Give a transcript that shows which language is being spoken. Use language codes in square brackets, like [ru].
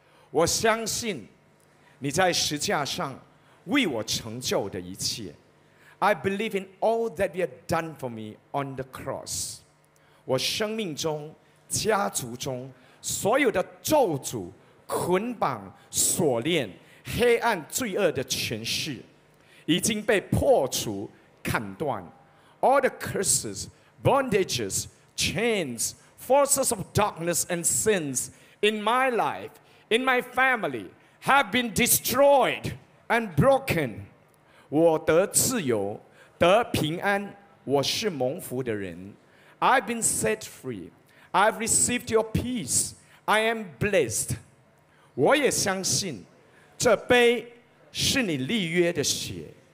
[zh] 我相信你在十字架上为我成就的一切。 [en] I believe in all that you have done for me on the cross. [zh] 我生命中、家族中所有的咒诅、捆绑、锁链、黑暗、罪恶的权势已经被破除、砍断。 [en] All the curses, bondages, chains, forces of darkness and sins in my life, in my family, have been destroyed and broken. [zh] 我得自由，得平安，我是蒙福的人。 [en] I've been set free. I've received your peace. I am blessed. [zh] 我也相信，这杯是你立约的血。